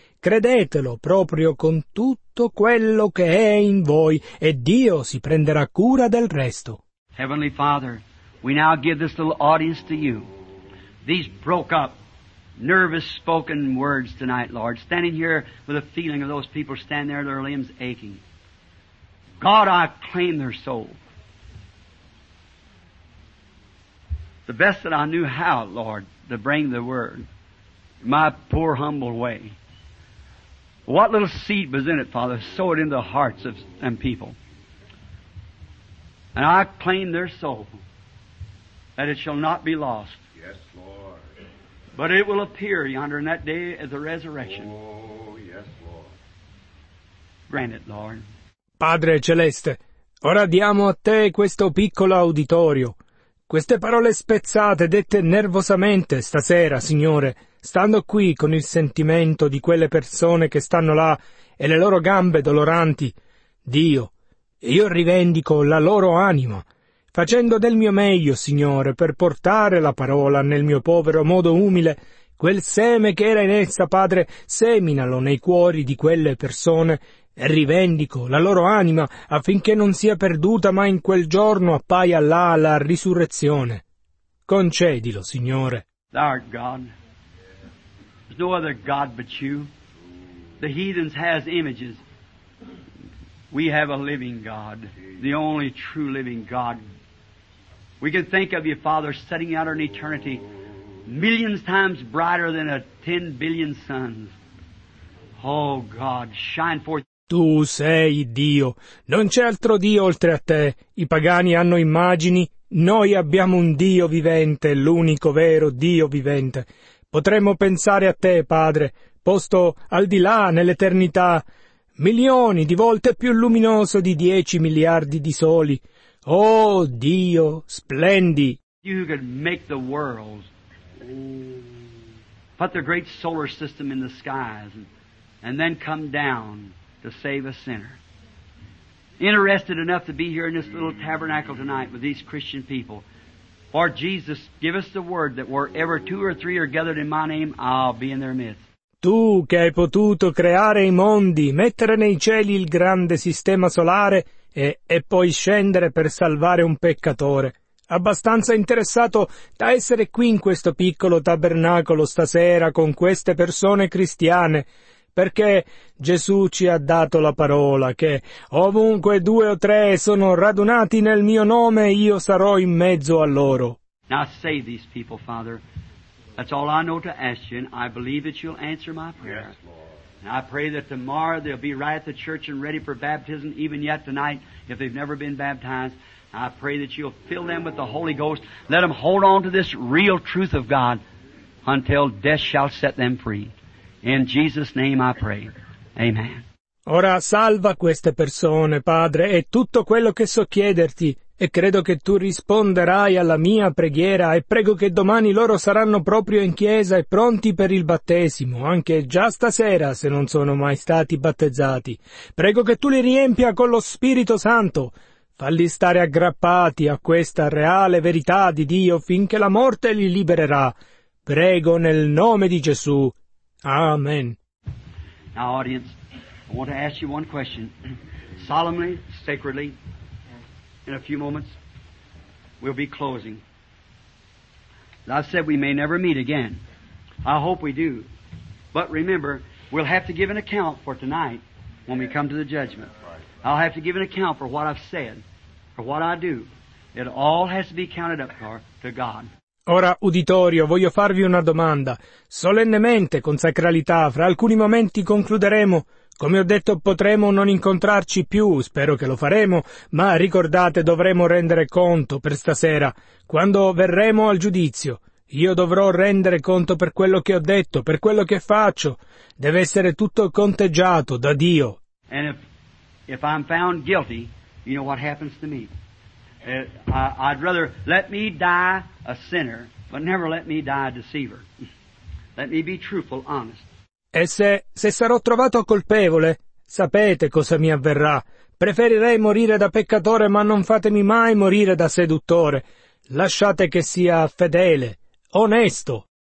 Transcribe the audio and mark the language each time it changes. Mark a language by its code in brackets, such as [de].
[it] Credetelo proprio con tutto quello che è in voi, e Dio si prenderà cura del resto. [en] Heavenly Father, we now give this little audience to you. These broke up, nervous spoken words tonight, Lord, standing here with a feeling of those people standing there, their limbs aching. God, I claim their soul. The best that I knew how, Lord, to bring the word, my poor humble way. What little seed was in it, Father, sow it in the hearts of them people. And I claim their soul, that it shall not be lost. Yes, Lord. But it will appear yonder in that day of the resurrection. Oh, yes, Lord. Grant it, Lord. [it] Padre Celeste, ora diamo a te questo piccolo auditorio. Queste parole spezzate, dette nervosamente stasera, Signore, stando qui con il sentimento di quelle persone che stanno là e le loro gambe doloranti. Dio, io rivendico la loro anima, facendo del mio meglio, Signore, per portare la parola nel mio povero modo umile. Quel seme che era in essa, Padre, seminalo nei cuori di quelle persone. E rivendico la loro anima affinché non sia perduta, ma in quel giorno appaia là la risurrezione. Concedilo, Signore. [en] Thou art God. There's no other God but you. The heathens has images. We have a living God, the only true living God. We can think of you, Father, setting out an eternity millions times brighter than a 10 billion suns. Oh God, shine forth. [it] Tu sei Dio. Non c'è altro Dio oltre a te. I pagani hanno immagini. Noi abbiamo un Dio vivente, l'unico vero Dio vivente. Potremmo pensare a te, Padre, posto al di là, nell'eternità, milioni di volte più luminoso di 10 miliardi di soli. Oh, Dio, splendi! [en] You could make the world. Put the great solar system in the skies and then come down. To save a sinner. Interested enough to be here in this little tabernacle tonight with these Christian people. Lord Jesus, give us the word that wherever 2 or 3 are gathered in my name, I'll be in their midst. [it] Tu che hai potuto creare i mondi, mettere nei cieli il grande sistema solare e poi scendere per salvare un peccatore. abbastanza interessato da essere qui in questo piccolo tabernacolo stasera con queste persone cristiane, perché Gesù ci ha dato la parola che ovunque due o tre sono radunati nel mio nome, io sarò in mezzo a loro. [en] Now save these people, Father. That's all I know to ask you, and I believe that you'll answer my prayer. Yes, Lord. And I pray that tomorrow they'll be right at the church and ready for baptism, even yet tonight, if they've never been baptized. I pray that you'll fill them with the Holy Ghost. Let them hold on to this real truth of God until death shall set them free. In Jesus' name I pray. Amen. [it] Ora salva queste persone, Padre, è tutto quello che so chiederti. E credo che tu risponderai alla mia preghiera e prego che domani loro saranno proprio in chiesa e pronti per il battesimo, anche già stasera se non sono mai stati battezzati. Prego che tu li riempia con lo Spirito Santo. Falli stare aggrappati a questa reale verità di Dio finché la morte li libererà. Prego nel nome di Gesù. Amen. [en] Now, audience, I want to ask you one question. Solemnly, sacredly, in a few moments, we'll be closing. As I said, we may never meet again. I hope we do. But remember, we'll have to give an account for tonight when we come to the judgment. I'll have to give an account for what I've said, for what I do. It all has to be counted up to God. [it] Ora, uditorio, voglio farvi una domanda. Solennemente, con sacralità, fra alcuni momenti concluderemo. Come ho detto, potremo non incontrarci più, spero che lo faremo, ma ricordate, dovremo rendere conto per stasera, quando verremo al giudizio. Io dovrò rendere conto per quello che ho detto, per quello che faccio. Deve essere tutto conteggiato da Dio. [en] And if I'm found guilty, you know what happens to me. I'd rather let me die a sinner, but never let me die a deceiver. Let me be truthful, honest. [it] E se sarò trovato colpevole, sapete cosa mi avverrà. Preferirei morire da peccatore, ma non fatemi mai morire da seduttore. Lasciate che sia fedele, onesto.